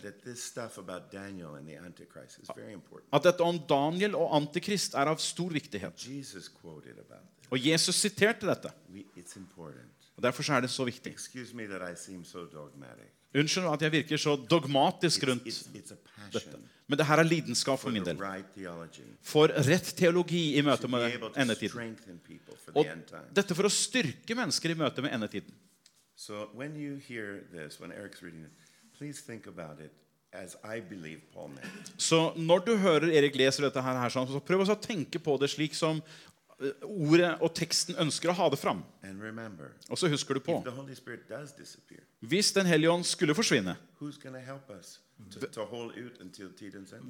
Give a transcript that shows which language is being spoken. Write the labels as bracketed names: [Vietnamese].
[English] That this stuff about Daniel and the Antichrist is very important. [Norwegian] At dette om Daniel og antikrist av stor viktighet. [English] Jesus quoted about this. [Norwegian] Og Jesus siterte dette. [English] It's important. [Norwegian] Og derfor det så viktig. [English] Excuse me that I seem so dogmatic. [Norwegian] Unnskyld at jeg virker så dogmatisk rundt dette. Men det lidenskap for min del. For rett teologi I møte med endetiden. Og dette for å styrke mennesker I møte med endetiden. [English] So when you hear this, when Eric's reading it, Please think about it as I believe Paul meant. [Swedish] Så när du hör Erik läser detta här så försök att tänka på det slik som ordet och texten önskar ha det fram. [English] And remember. [Swedish] Och så husker du på. [English] The Holy Spirit does disappear. [Swedish] Hvis den hellige ånd skulle försvinna. [English] Who's going to help us to hold out until [Norwegian] tidens ende?